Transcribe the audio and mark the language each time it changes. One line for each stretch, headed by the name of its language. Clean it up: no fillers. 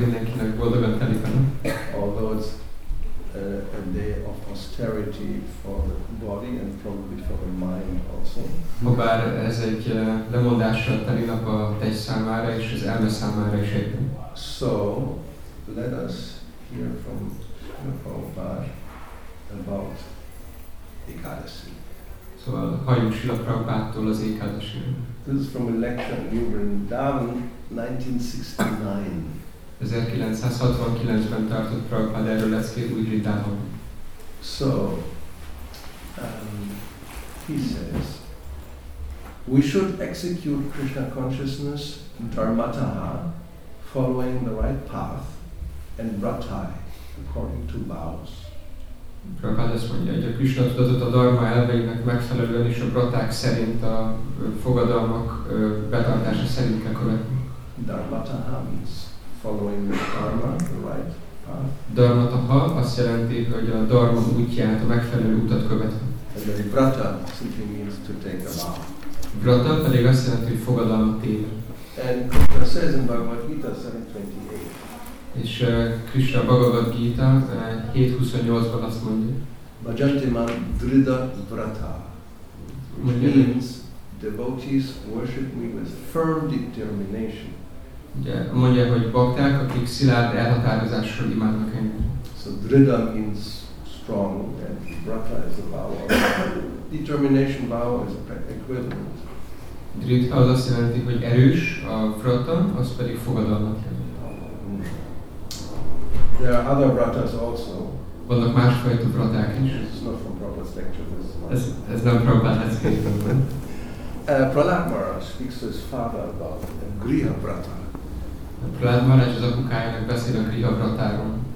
English: Although it's a day of austerity for the body and probably for the mind also.
Hungarian: Bár ez egy lemondásra teli nap a test számára és az elme számára is.
English: So let us hear from Prabhupada about Ekadasi.
Hungarian: Szóval halljuk Srila Prabhupádtól az ékádasiról.
English: This is from a lecture in New Vrindavan, 1969.
Hungarian: 1969-ben tartott Prabhupád erről leckét új Vrindavan.
English: So, he says, we should execute Krishna consciousness dharmataha, following the right path, and ratai, according to vows.
Hungarian: Prabhupád azt mondja, hogy a Krishna tudatot a dharma elveinek megfelelően és a braták szerint a fogadalmak betartása szerint kell követni.
English: Dharmataha means following the dharma, the right path.
Hungarian: Dharmataha azt jelenti, hogy a dharma útját, a megfelelő utat követni.
English: And then brata simply means to take a vow.
Hungarian: Brata pedig azt jelenti, hogy fogadalmat tél.
English: And Krishna says in Bhagavad Gita 7:28.
Hungarian: És Krishna Bhagavad Gita 7.28-ban azt mondja.
Sanskrit: Bhajante mam drida vrata.
English: Which means devotees worship me with firm determination.
Hungarian: Mondja, hogy bakták, akik szilárd elhatározással imádnak engem.
English: So drida means strong and vrata is a vowel. Determination vowel is equivalent.
Hungarian: Dridha az azt jelenti, hogy erős, a vrata az pedig fogadalmat jelent.
English: There are other vratas also.
Hungarian: Vannak másfajta vraták is.
English: It's not from Prabhupada's lecture.
Hungarian: Ez nem
English: Prabhupada's lecture. Prahlad Maharaj speaks to his father about a griha vrata.
Hungarian: Prahlad Maharaj az apukájának beszél a griha vratáról.